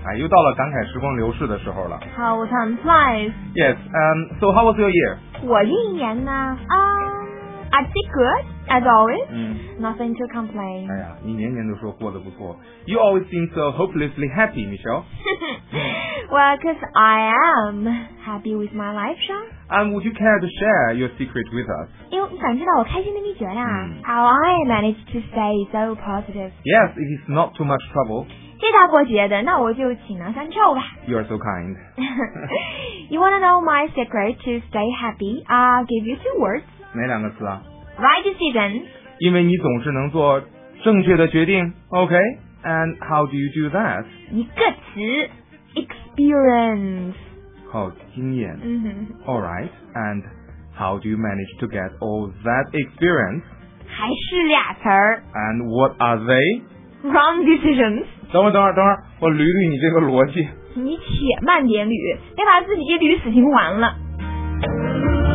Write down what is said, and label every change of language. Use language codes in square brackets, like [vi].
[zh] 哎，又到了感慨时光流逝的时候了。好，我 [en] time flies. Yes. So how was your year? [zh] 我一年呢？ [en] I did good as always. Nothing to complain. [zh] 哎呀，你年年都说过得不错。 [en] You always seem so hopelessly happy, Michelle. Well, because I am happy with my life, Sean. And would you care to share your secret with us? [zh] 因为你想知道我开心的秘诀呀、啊 [en] How I managed to stay so positive. Yes, it is not too much trouble. [zh] 谢大伯爵的，那我就请囊相救吧。 [en] You are so kind. You want to know my secret to stay happy? I'll give you two words. [zh] 哪两个词啊 [en] Right decision [zh] 因为你总是能做正确的决定 [en] OK And how do you do that? [zh] 一个词 Experience 好经验、 [en] Alright And how do you manage to get all that experience? [zh] 还是俩词儿 [en] And what are they? Wrong decisions [zh] 等会儿我捋捋你这个逻辑你且慢点捋别把自己给捋死循环了